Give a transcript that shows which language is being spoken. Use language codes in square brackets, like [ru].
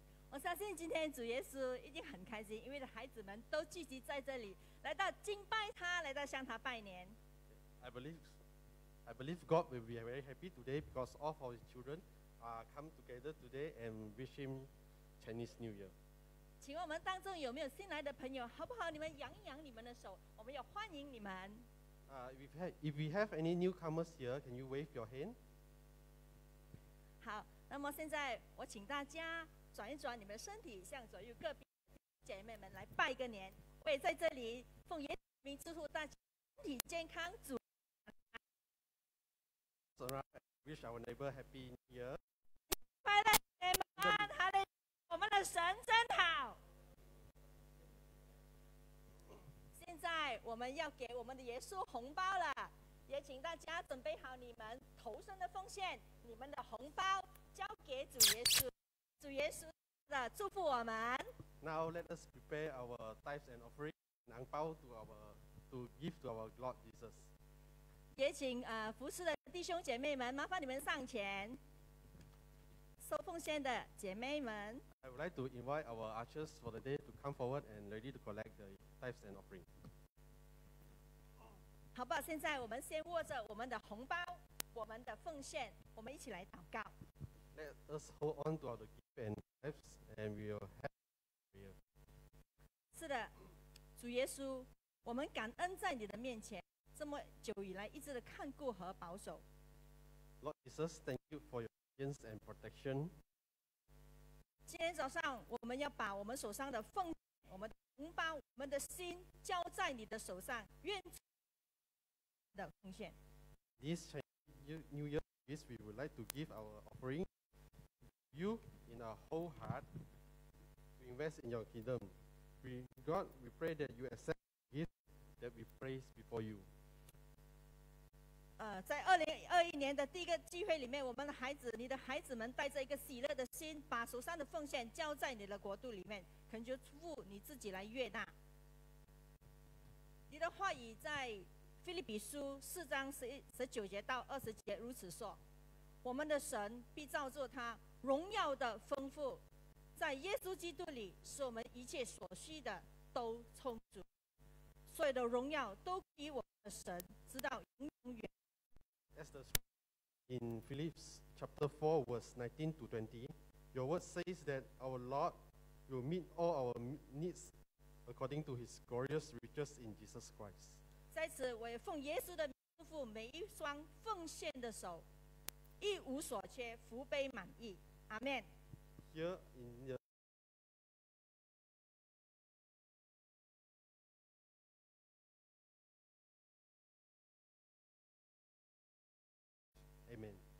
[zh] 我相信今天主耶稣一定很开心，因为孩子们都聚集在这里，来到敬拜他，来到向他拜年。 [en] I believe God will be very happy today because all of his children are come together today and wish him Chinese New Year. [zh] 请我们当中有没有新来的朋友，好不好？你们扬一扬你们的手，我们要欢迎你们。 [en] If we have any newcomers here, can you wave your hand? [zh] 好，那么现在我请大家转一转你们身体，向左右各边姐妹们来拜个年。我也在这里奉耶稣名祝福大家身体健康，主。 [en] Wish our neighbor happy new year. [zh] 快乐姐妹们，哈利，我们的神真好。现在我们要给我们的耶稣红包了，也请大家准备好你们头上的奉献，你们的红包交给主耶稣，主耶稣的祝福我们。 [en] Now let us prepare our tithes and offering, 红包 to give to our Lord Jesus. [zh] 也请服侍的弟兄姐妹们，麻烦你们上前，收奉献的姐妹们。 [en] I would like to invite our ushers for the day to come forward and ready to collect the tithes and offering. [zh] 好吧，现在我们先握着我们的红包，我们的奉献，我们一起来祷告。 [en] Let us hold on to our gift and tithes, and we will have. [zh] 是的，主耶稣，我们感恩在你的面前，这么久以来一直的看顾和保守。 [en] Lord Jesus, thank you for your guidance and protection. [zh] 今天早上我们要把我们手上的奉献、我们的红包、我们的心交在你的手上，愿主的奉献。 [en] This Chinese New Year, this we would like to give our offering to you in our whole heart to invest in your kingdom. We, God, we pray that you accept the gift that we place before you. [zh] 在2021年的第一个聚会里面，我们的孩子，你的孩子们带着一个喜乐的心，把手上的奉献交在你的国度里面，恳求父你自己来悦纳。你的话语在腓立比书四章19节到20节如此说：我们的神必造作他荣耀的丰富，在耶稣基督里使我们一切所需的都充足，所有的荣耀都给我们的神，直到永远。 [en] In Philippians chapter 4, verse 19 to 20, your word says that our Lord will meet all our needs according to his glorious riches in Jesus Christ. [zh] 在此我也奉耶稣的名祝福每一双奉献的手，一无所缺，福杯满溢。 [en] Amen. Here in the Amen.